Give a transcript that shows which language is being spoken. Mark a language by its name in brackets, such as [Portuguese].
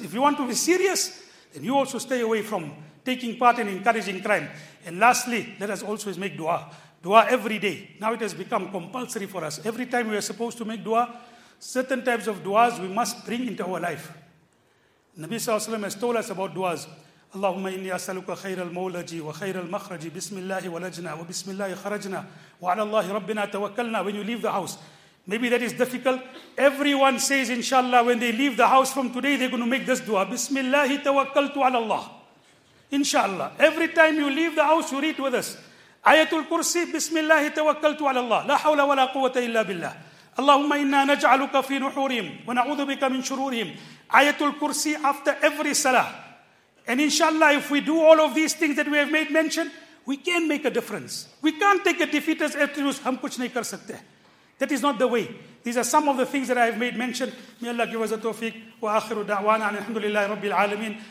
[English] If you want to be serious, then you also stay away from taking part in encouraging crime. And lastly, let us also make dua. Dua every day. Now it has become compulsory for us. Every time we are supposed to make dua, certain types of duas we must bring into our life. Nabi Sallallahu Alaihi Wasallam has told us about duas. [Arabic] اللهم إني أسألك خير المولج وخير المخرج بسم الله ولجنا وبسم الله خرجنا وعلى الله ربنا توكلنا. [English] When you leave the house, maybe that is difficult. Everyone says inshallah when they leave the house from today, they're going to make this dua. [Arabic] بسم الله توكلت على الله. Inshallah. [English] Every time you leave the house, you read with us. [Arabic] آيات الكرسي بسم الله توكلت على الله. لا حول ولا قوة إلا بالله. اللهم إنا نجعلك في نحورهم ونعوذ بك من شرورهم. [English] آيات الكرسي after every salah. And inshallah, if we do all of these things that we have made mention, we can make a difference. We can't take a defeatist attitude. [Hindi] Hum kuch nahi kar sakte. [English] That is not the way. These are some of the things that I have made mention. May Allah give us a tawfiq. [Arabic] Wa akhiru da'wana alhamdulillahi rabbil alameen.